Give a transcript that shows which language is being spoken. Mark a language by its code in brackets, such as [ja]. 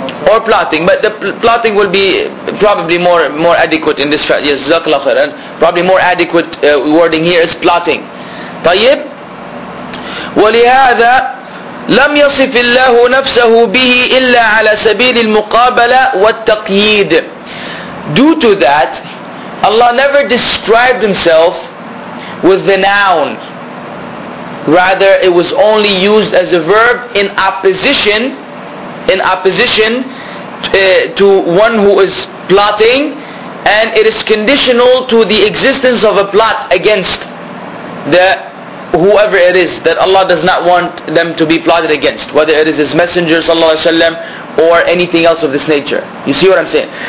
[en] Or plotting, but the plotting will be probably more adequate in this. Yes, zakhlaq, and probably more adequate wording here is plotting. [ar] طيب. ولهذا لم يصف الله نفسه به إلا على سبيل المقابلة والتقييد. [en] Due to that, Allah never described Himself with the noun. Rather, it was only used as a verb in opposition. In opposition to one who is plotting, and it is conditional to the existence of a plot against the whoever it is that Allah does not want them to be plotted against, whether it is His Messenger sallallahu alaihi wasallam or anything else of this nature. You see what I'm saying?